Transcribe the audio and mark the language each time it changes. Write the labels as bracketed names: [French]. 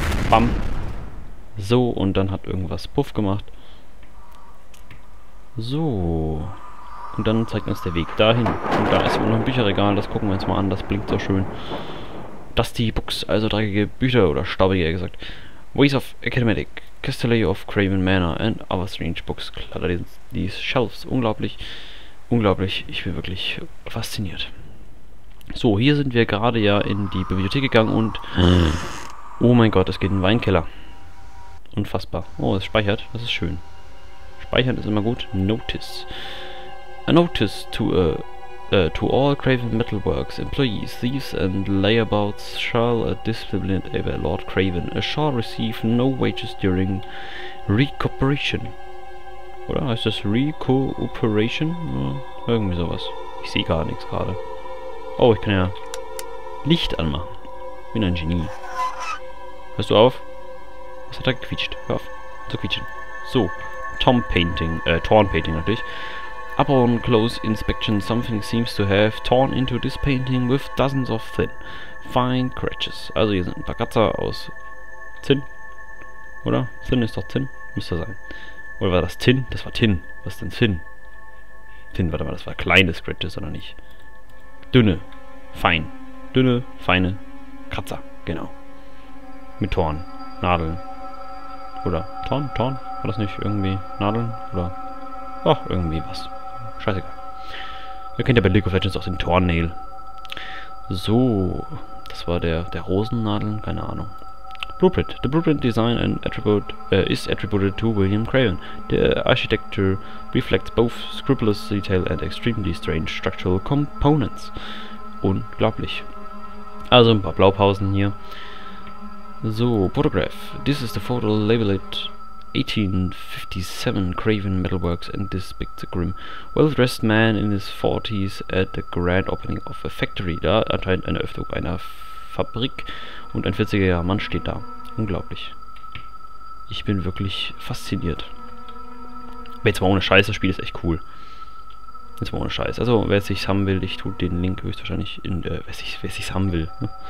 [German] Bam. So, und dann hat irgendwas Puff gemacht. So. Und dann zeigt uns der Weg dahin. Und da ist immer noch ein Bücherregal. Das gucken wir uns mal an. Das blinkt so schön. Dusty Books, also dreckige Bücher oder staubige, eher gesagt. [English] Ways of Academic. Castellay of Craven Manor and other strange books. [German] Klar, die Shelves. Unglaublich. Unglaublich. Ich bin wirklich fasziniert. So, hier sind wir gerade ja in die Bibliothek gegangen und... Oh mein Gott, es geht in den Weinkeller. Unfassbar. Oh, es speichert. Das ist schön. Speichern ist immer gut. Notice. [English] A notice to all Craven Metalworks employees, thieves and layabouts shall discipline by Lord Craven. A shall receive no wages during recuperation. [German] Oder heißt das recuperation? Oh, irgendwie sowas. Ich sehe gar nichts gerade. Oh, ich kann ja Licht anmachen. Bin ein Genie. Hörst du auf? Was hat er gequietscht? Hör auf zu quietschen. So, Tom Painting, Torn Painting natürlich. [English] Upon close inspection, something seems to have torn into this painting with dozens of thin, fine scratches. [German] Also hier sind ein paar Kratzer aus Zinn, oder? Zinn ist doch Zinn, müsste sein. Oder war das Tin? Das war Tin. Was ist denn Zinn? Tin, warte mal, das war kleine Scratches, oder nicht? Dünne, fein, dünne, feine Kratzer, genau. Mit Torn, Nadeln, oder Torn, Torn, war das nicht irgendwie Nadeln, oder, ach, irgendwie was, scheißegal. Ihr kennt ja bei League of Legends auch den Torn-Nail. So, das war der Rosennadeln, keine Ahnung. [English] Blueprint, the blueprint design and attribute is attributed to William Craven. The architecture reflects both scrupulous detail and extremely strange structural components. [German] Unglaublich. Also ein paar Blaupausen hier. So, Photograph. [English] This is the photo labeled 1857 Craven Metalworks and this depicts a grim, well-dressed man in his 40s at the grand opening of a factory. [German] Da anscheinend eine Öffnung einer Fabrik und ein 40er Mann steht da. Unglaublich. Ich bin wirklich fasziniert. Aber jetzt mal ohne Scheiß, das Spiel ist echt cool. Jetzt mal ohne Scheiß. Also, wer es sich haben will, ich tue den Link höchstwahrscheinlich in der... wer es sich haben will. Ne?